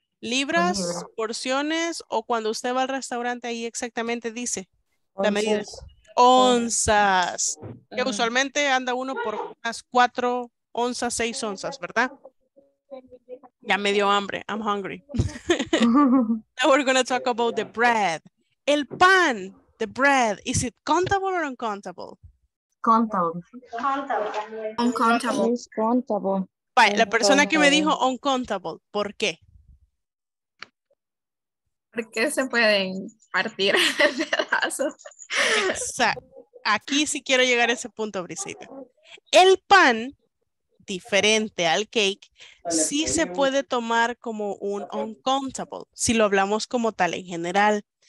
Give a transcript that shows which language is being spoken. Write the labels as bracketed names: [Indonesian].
[Spanish] Libras, porciones, o cuando usted va al restaurante ahí exactamente dice la medida. Onzas, que usualmente anda uno por unas 4 onzas, 6 onzas, ¿verdad? Ya me dio hambre, [English] I'm hungry. Now we're going to talk about the bread. [Spanish] El pan, [English] the bread, is it countable or uncountable? Uncountable. [Spanish] Vale, la persona que me dijo uncountable, ¿por qué? Porque se pueden partir pedazos. Exacto. Aquí sí quiero llegar a ese punto, Brisita. El pan, diferente al cake, sí se puede tomar como un uncountable, si lo hablamos como tal en general.